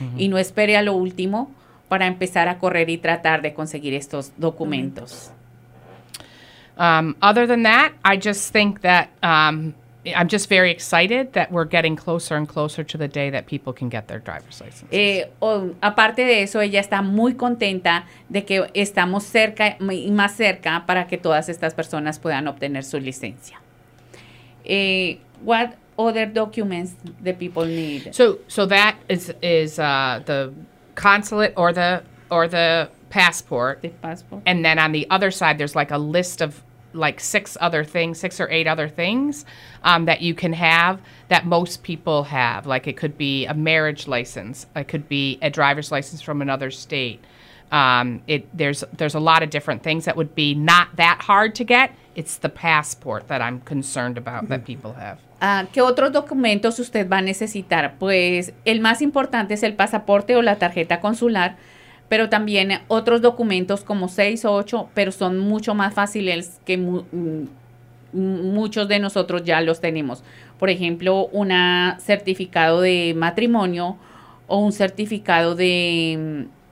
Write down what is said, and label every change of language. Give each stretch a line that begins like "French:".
Spanish: Y no espere a lo último para empezar a correr y tratar de conseguir estos documentos.
English: Other than that, I just think that... I'm just very excited that we're getting closer and closer to the day that people can get their driver's license. Aparte de eso, ella está muy contenta de que estamos cerca y más cerca para que todas estas personas puedan obtener su licencia. What other documents the people need? So that is the consulate or the passport. The passport. And then on the other side, there's like a list of like six or eight other things that you can have that most people have. Like it could be a marriage license. It could be a driver's license from another state. There's a lot of different things that would be not that hard to get. It's the passport that I'm concerned about that people have.
Spanish: ¿Qué otros documentos usted va a necesitar? Pues el más importante es el pasaporte o la tarjeta consular. Pero también otros documentos como 6 o 8, pero son mucho más fáciles que muchos de nosotros ya los tenemos. Por ejemplo, un certificado de matrimonio o un certificado de...